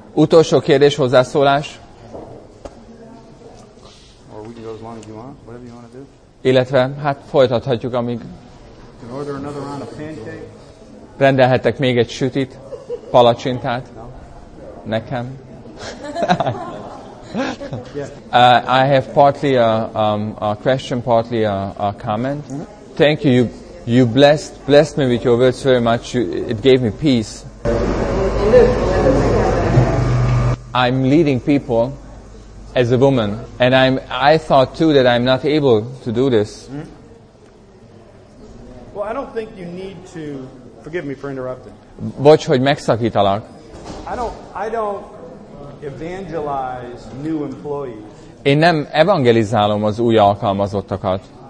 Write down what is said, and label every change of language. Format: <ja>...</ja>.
<hu>Utolsó kérdés, hozzászólás.</hu> <en>Or we can go as long as you want, whatever you want to do.</en> <hu>Illetve, hát folytathatjuk, amíg.</hu> <en>You can order another round of pancakes.</en> <hu>Rendelhetek még egy sütit, palacsintát.</hu> <en>No.</en> <hu>Nekem.</hu> <en>Yeah. I have partly a question, partly a comment. Mm-hmm. Thank you. You blessed me with your words very much. It gave me peace. I'm leading people as a woman, and I thought too that I'm not able to do this. Mm-hmm. Well, I don't think you need to forgive me for interrupting.</en> <hu>Bocs, hogy megszakítalak.</hu> <en>I don't evangelize new employees.</en> <hu>Én nem evangelizálom az új alkalmazottakat.</hu>